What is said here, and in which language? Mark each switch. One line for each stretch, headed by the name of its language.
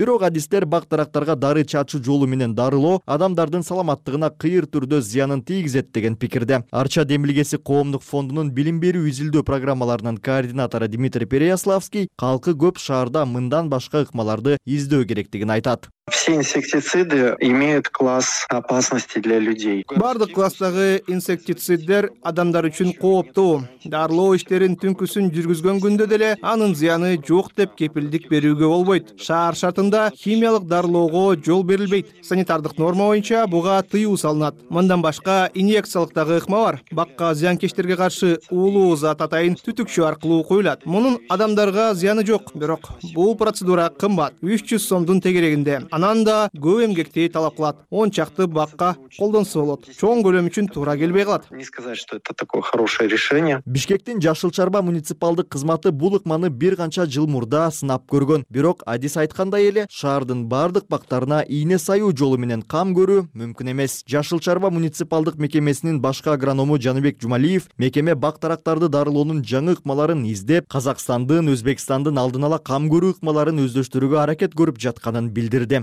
Kyrgyz: Бирок адистер бак дарактарга дары чачуу жолу менен дарылоо адамдардын саламаттыгына кыйыр түрдө зыянын тийгизет деген пикирде. Арча демилгеси коомдук фондунун билим берүү изилдөө программаларынын координатору Дмитрий Переяславский калкы көп шаарда мындан башка ыкмаларды издөө керектигин айтат.
Russian: Все инсектициды имеют класс опасности для людей.
Kyrgyz: Бардык класстагы инсектициддер адамдар үчүн кооптуу. Дарылоо иштерин түнкүсүн жүргүзгөн күндө деле анын зыяны жок деп кепилдик берүүгө болбойт. Шаар шартында химиялык дарылоого жол берилбейт. Санитардык норма боюнча буга тыюу салынат. Мындан башка инъекциялык дагы ыкма бар. Бакка зыянкечтерге каршы уулуу зат атайын түтүкчө аркылуу куюлат. Мунун адамдарга зыяны жок, бирок бул процедура кымбат. 300 сомдун тегерегинде. Анан да көп эмгекти талап кылат. 10 чакты бакка колдонсо болот. Чоң көлөм үчүн туура келбей калат.
Russian: Не сказать, что это такое хорошее решение.
Kyrgyz: Бишкектин жашыл чарба муниципалдык кызматы бул ыкманы бир канча жыл мурда сынап көргөн. Бирок адис айткандай эле шаардын бардык бактарына ийне саюу жолу менен кам көрүү мүмкүн эмес. Жашыл чарба муниципалдык мекемесинин башка агроному Жаныбек Жумалиев мекеме бак дарактарды дарылоонун жаңы ыкмаларын издеп, Казакстандын, Өзбекстандын алдын ала кам көрүү ыкмаларын өздөштүрүүгө аракет көрүп жатканын билдирди.